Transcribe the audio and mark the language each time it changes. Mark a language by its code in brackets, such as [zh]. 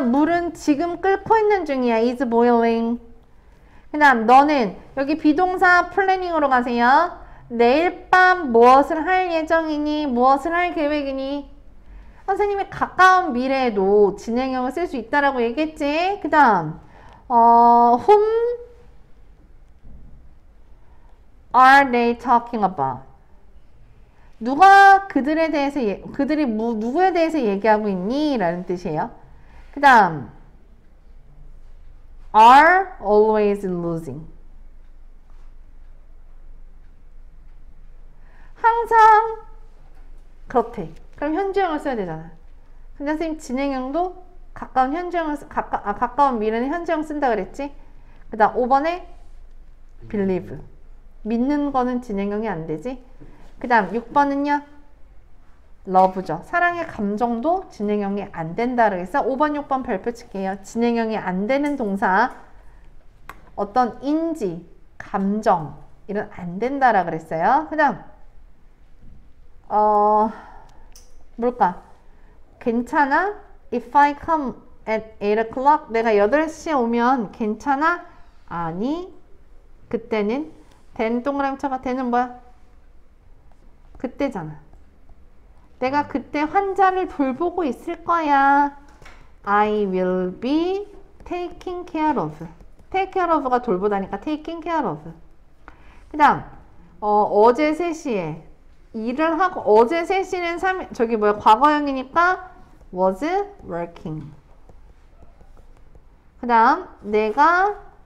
[ko] 물은 지금 끓고 있는 중이야. [en] is boiling. [ko] 그다음 너는 여기 비동사 플래닝으로 가세요. 내일 밤 무엇을 할 예정이니? 무엇을 할 계획이니? 선생님이 가까운 미래에도 진행형을 쓸수 있다라고 얘기했지. 그다음 [en] whom Are they talking about? [ko] 누가 그들에 대해서 그들이 누구에 대해서 얘기하고 있니? 라는 뜻이에요. 그 다음, [en] are always losing. [ko] 항상 그렇대. 그럼 현지형을 써야 되잖아. 근데 선생님, 진행형도 가까운 현지형을, 가까운 미래는 현지형 쓴다 그랬지? 그 다음, 5번에 believe. 믿는 거는 진행형이 안 되지. 그 다음 6번은요. 러브죠. 사랑의 감정도 진행형이 안 된다고 해서 5번, 6번 발표 칠게요. 진행형이 안 되는 동사. 어떤 인지, 감정 이런 안 된다라고 그랬어요. 그 다음 뭘까? 괜찮아? [en] If I come at 8 o'clock, [ko] 내가 8시에 오면 괜찮아? 아니, 그때는 된 동그라미쳐봐. 되는 뭐야? 그때잖아. 내가 그때 환자를 돌보고 있을 거야. [en] I will be taking care of. Take care of가 [ko] 돌보다니까 [en] taking care of. [ko] 그다음 어제 3시에 일을 하고 어제 3시는 3 저기 뭐야 과거형이니까 was working. 그다음 내가